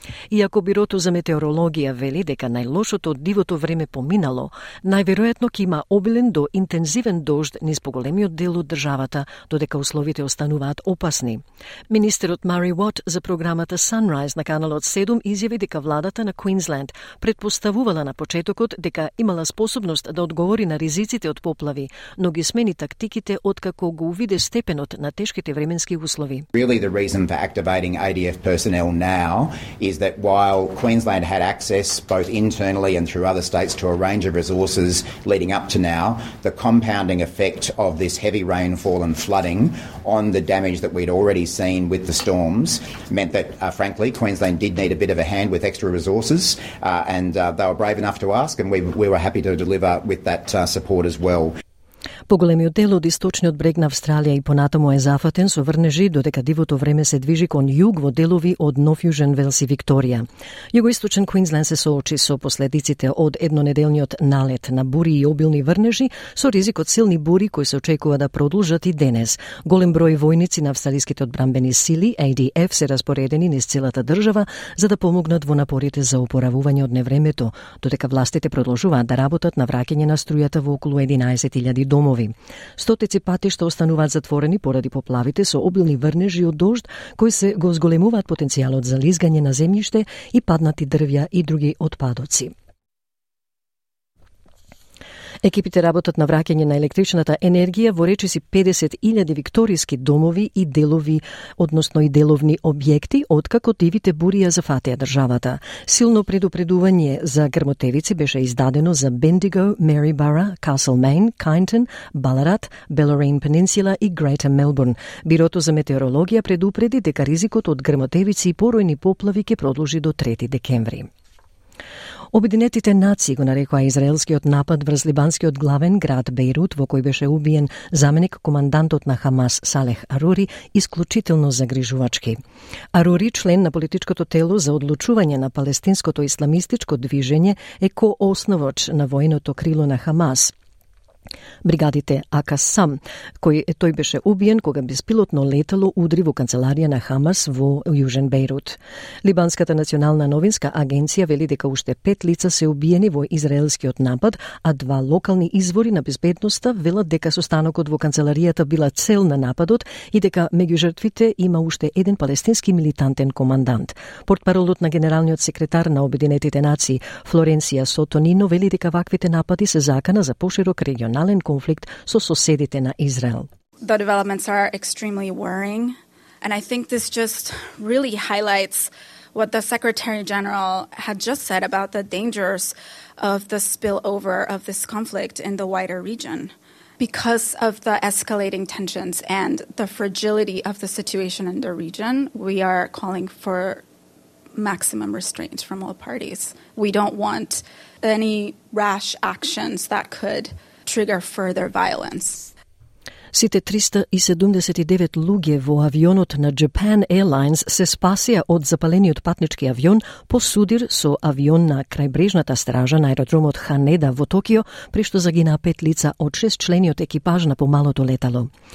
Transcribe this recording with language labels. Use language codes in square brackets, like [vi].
[mk] Иако Бирото за метеорологија вели дека најлошото дивото време поминало, најверојатно ќе има обилен до интензивен дожд низ поголемиот дел од државата, додека условите остануваат опасни. Министерот Мари Уот за програмата Sunrise на каналот 7 изјави дека владата на Квинсленд предпоставувала на почетокот дека имала способност да одговори на ризиците од поплави, но ги смени тактиките откако го увиде степенот на тешките временски услови. [en] Really the reason for activating ADF personnel now is that while Queensland had access both internally and through other states to a range of resources leading up to now, the compounding effect of this heavy rainfall and flooding on the damage that we'd already seen with the storms meant that, frankly, Queensland did need a bit of a hand with extra resources, and they were brave enough to ask, and we were happy to deliver with that support as well. [mk] Поголемиот дел од источниот брег на Австралија и понатаму е зафатен со врнежи, додека дивото време се движи кон југ во делови од Нов Јужен Велс и Викторија. Југоисточен Квинсленд се соочи со последиците од еднонеделниот налет на бури и обилни врнежи, со ризик од силни бури кои се очекува да продолжат и денес. Голем број војници на австралиските одбранбени сили ADF се распоредени низ целата држава за да помогнат во напорите за опоравување од невремето, додека властите продолжуваат да работат на враќање на струјата во околу 11.000 домови. нови. Стотици патишта остануваат затворени поради поплавите со обилни врнежи од дожд, кои се го зголемуваат потенцијалот за лизгање на земјиште и паднати дрвја и други отпадоци. Екипите работат на враќање на електричната енергија во речиси 50.000 викториски домови и делови, односно и деловни објекти, откако дивите бури ја зафатија државата. Силно предупредување за грмотевици беше издадено за Bendigo, Maryborough, Castlemaine, Kyneton, Ballarat, Bellarine Peninsula и Greater Melbourne. Бирото за метеорологија предупреди дека ризикот од грмотевици и поројни поплави ќе продолжи до 3 декември. Обединетите нации го нарекоа израелскиот напад врз либанскиот главен град Бејрут, во кој беше убиен заменик командантот на Хамас Салех Арури, исклучително загрижувачки. Арури, член на политичкото тело за одлучување на палестинското исламистичко движење, е кооснувач на военото крило на Хамас. Бригадите Акасам, кој тој беше убиен кога беспилотно летало удри во канцеларија на Хамас во Јужен Бејрут. Либанската национална новинска агенција вели дека уште 5 лица се убиени во израелскиот напад, а 2 локални извори на безбедноста велат дека состанокот во канцеларијата била цел на нападот и дека меѓу жртвите има уште еден палестински милитантен командант. Портпаролот на генералниот секретар на Обединетите нации Флоренција Сотонино вели дека ваквите напади се закана за поширок регионален конфликт со соседите на Израел. [en] The developments are extremely worrying, and I think this just really highlights what the Secretary General had just said about the dangers of the spillover of this conflict in the wider region. Because of the escalating tensions and the fragility of the situation in the region, we are calling for maximum restraint from all parties. We don't want any rash actions that could trigger further violence. [mk] Сите 379 луѓе во авионот на Japan Airlines се спасија од запалениот патнички авион по судир со авион на крајбрежната стража на аеродромот Ханеда во Токио, при што загинаа 5 лица од 6 члени од екипаж на помалото летало.